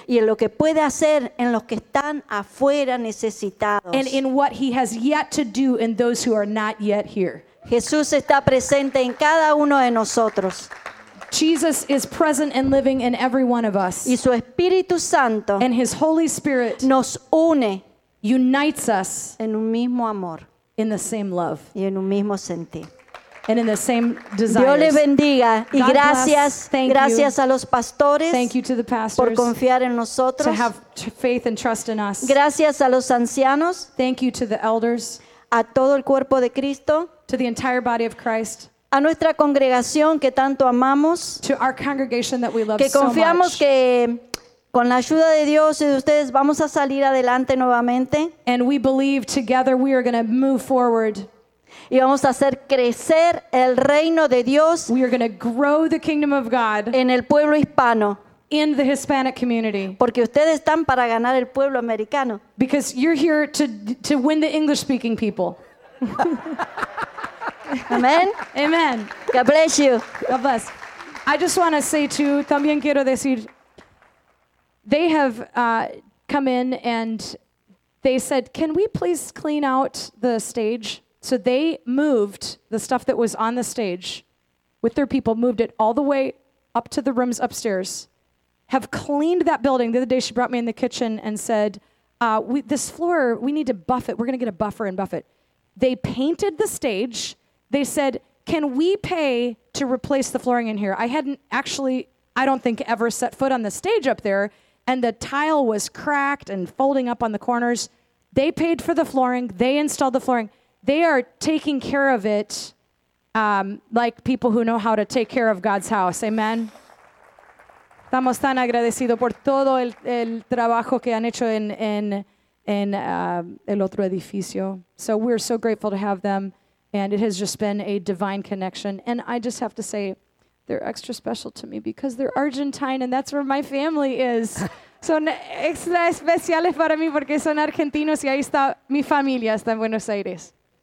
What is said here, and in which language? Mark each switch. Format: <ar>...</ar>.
<es>y en lo que puede hacer en los que están afuera necesitados,</es> <en>and in what He has yet to do in those who are not yet here.</en> <es>Jesús está presente en cada uno de nosotros.</es> <en>Jesus is present and living in every one of us.</en> <es>Y su Espíritu Santo,</es> <en>and His Holy Spirit,</en> <es>nos une,</es> <en>unites us,</en> <es>en un mismo amor,</es> <en>in the same love,</en> <es>y en un mismo sentir,</es> <en>and in the same desires.</en> <es>Dios le bendiga,</es> <en>God</en> <es>y gracias,</es> <en>bless. Thank</en> <es>gracias</es> <en>you.</en> <es>A los pastores,</es> <en>thank you to the pastors,</en> <es>por confiar en nosotros,</es> <en>to have faith and trust in us.</en> <es>Gracias a los ancianos,</es> <en>thank you to the elders.</en> <es>A todo el cuerpo de Cristo,</es> <en>to the entire body of Christ,</en> <es>a nuestra congregación que tanto amamos,</es> <en>to our congregation that we love</en> <es>que confiamos Que con la ayuda de Dios y de ustedes vamos a salir adelante nuevamente,</es> <en>and we believe together we are going to move forward,</en> <es>y vamos a hacer crecer el reino de Dios,</es> <en>we are going to grow the kingdom of God,</en> <es>en el pueblo hispano,</es> <en>in the Hispanic community,</en> <es>porque ustedes están para ganar el pueblo americano,</es> <en>because you're here to win the English speaking people. Amen. Amen. God bless you. God bless. I just want to say too,</en> <es>también quiero decir,</es> <en>they have come in and they said, can we please clean out the stage? So they moved the stuff that was on the stage with their people, moved it all the way up to the rooms upstairs, have cleaned that building. The other day she brought me in the kitchen and said, this floor, we need to buff it. We're going to get a buffer and buff it. They painted the stage. They said, can we pay to replace the flooring in here? I hadn't actually, I don't think, ever set foot on the stage up there. And the tile was cracked and folding up on the corners. They paid for the flooring. They installed the flooring. They are taking care of it like people who know how to take care of God's house. Amen.</en> <es>Estamos tan agradecidos por todo el trabajo que han hecho en el otro edificio.</es> <en>So we're so grateful to have them, and it has just been a divine connection. And I just have to say, they're extra special to me because they're Argentine, and that's where my family is.</en> <es>Son extra especiales para mí porque son argentinos y ahí está mi familia, está en Buenos Aires.</es>